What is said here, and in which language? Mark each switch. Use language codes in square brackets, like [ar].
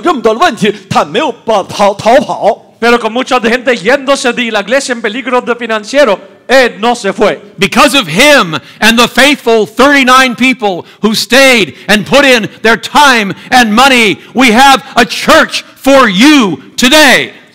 [zh] 但是呢，海博士带着看着面临教会这么多的问题，他没有跑逃跑。 [es] Pero con mucha gente yéndose de la iglesia en peligro de financiero, él no se fue. [en] Because of him and the faithful 39 people who stayed and put in their time and money, we have a church for you today.